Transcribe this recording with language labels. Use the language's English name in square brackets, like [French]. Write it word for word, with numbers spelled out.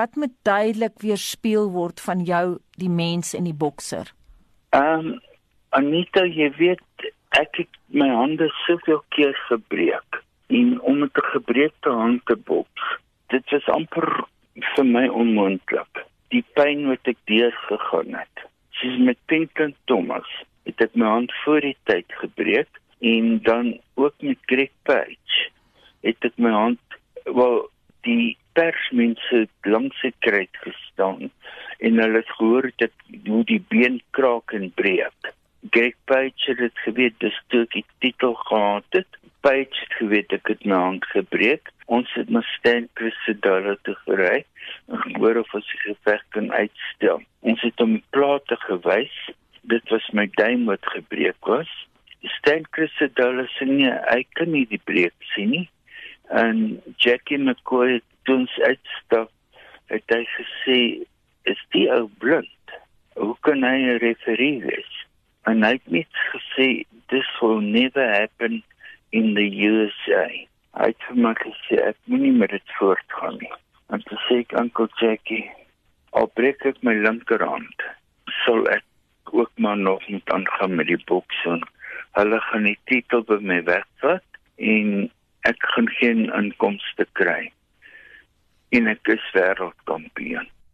[Afrikaans] Wat moet duidelik weerspieël word van jou, die mens en die bokser? Um, Anita, jy weet, ek het my hande soveel keer gebreek. En om met 'n gebreekte hand te boks, dit was amper vir my onmoontlik. Die pyn wat ek deurgegaan het. Soos met Pinklin Thomas, het ek my hand voor die tyd gebreek. En dan ook met Greg Page het ek my hand, wel, die persmense langs die kruid gestaan, en hulle het gehoor dat hoe die been kraak en breek. Greg Page het geweet, dis toe ek die titel gehad het, Page het geweet, ek het my hand gebreek, ons het my Stan Christodoulos te gerei, en gehoor of ons die geveg kan uitstel. Ons het om plate gewys, dit was my duim wat gebreek was, Stan Christodoulos sê, hy kan nie die breek sien nie, en Jackie McCoy, toen ons uitstap, het hy gesê, is die ou blind? Hoe kan hy een referee wees? En hy het net gesê, [English] this will never happen in the U S A. [Afrikaans] Hy het vir my gesê, ek moet nie met dit voortgaan nie. En toe sê ek, Uncle Jackie, al breek ek my linkerhand, sal ek ook maar nog moet aangaan met die boksing. Hulle gaan die titel by my wegvat, en ek gaan geen inkomste kry, en ek is wereldkampioen.